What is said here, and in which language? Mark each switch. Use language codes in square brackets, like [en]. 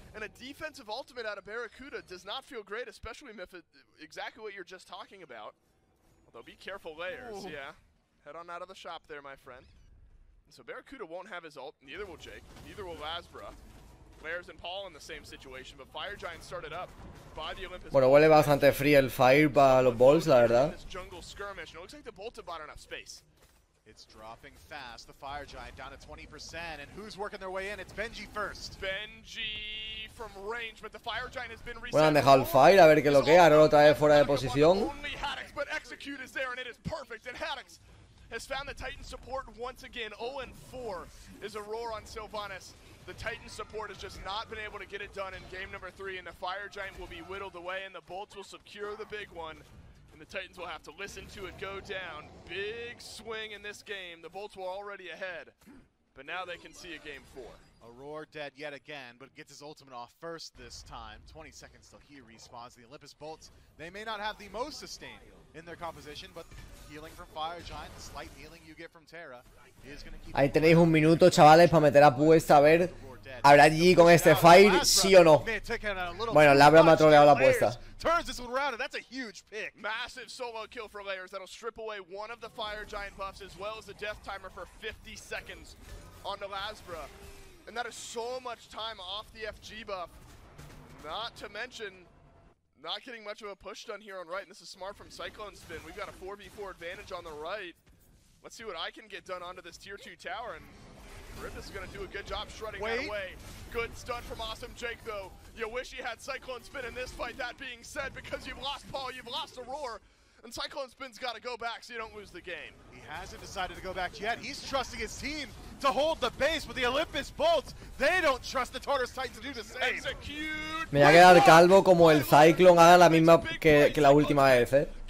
[en] And a defensive ultimate out of Barracuda does not feel great, especially if it, exactly what you're just talking about. Although, be careful, Layers. Ooh. Yeah. Head on out of the shop there, my friend. So Barracuda won't have his ult, neither will Jake, neither will Lazbra. Lairs and Paul in the same situation, but Fire Giant started up by the Olympus. [es] Bueno, huele bastante frío el Fire para los Bolts, la verdad. [en] This jungle skirmish, and it looks like the Bolt have bought enough space. It's dropping fast, the Fire Giant down to 20%, and who's working their way in? It's Benji first. Benji from range, but the Fire Giant has been reset. [es] Bueno, han dejado el Fire, a ver qué lo queda, ahora lo trae fuera de posición. [en] Only Haddix, but Execute is there, and it is perfect, and Haddix has found the Titan support once again. 0-4 is a roar on Sylvanas. The Titan support has just not been able to get it done in game number 3, and the Fire Giant will be whittled away, and the Bolts will secure the big one, and the Titans will have to listen to it go down. Big swing in this game. The Bolts were already ahead, but now they can see a game 4. Aurora dead yet again, but gets his ultimate off first this time. 20 seconds till he respawns. The Olympus Bolts, they may not have the most sustain in their composition, but healing from Fire Giant, the slight healing you get from Terra, is going to keep... [es] Ahí tenéis un minuto, chavales, para meter apuesta, a ver, ¿habrá allí con este fire, sí o no? Bueno, Labra me ha troleado la apuesta. [en] Turns this one around, and that's a huge pick. Massive solo kill for Layers that'll strip away one of the Fire Giant buffs, as well as the death timer for 50 seconds onto Lazbra. And that is so much time off the FG buff. Not to mention, not getting much of a push done here on right. And this is smart from Cyclone Spin. We've got a 4v4 advantage on the right. Let's see what I can get done onto this tier 2 tower. And Rivas is going to do a good job shredding Wait. That away. Good stun from Awesome Jake, though. You wish he had Cyclone Spin in this fight. That being said, because you've lost Paul, you've lost Aurora. And Cyclone Spin's got to go back so you don't lose the game. He hasn't decided to go back yet. He's trusting his team to hold the base, but the Olympus Bolts, they don't trust the Tartarus Titan to do the same. Execute. [es] Me voy a quedar calvo como el Cyclone haga la misma que la última vez, eh.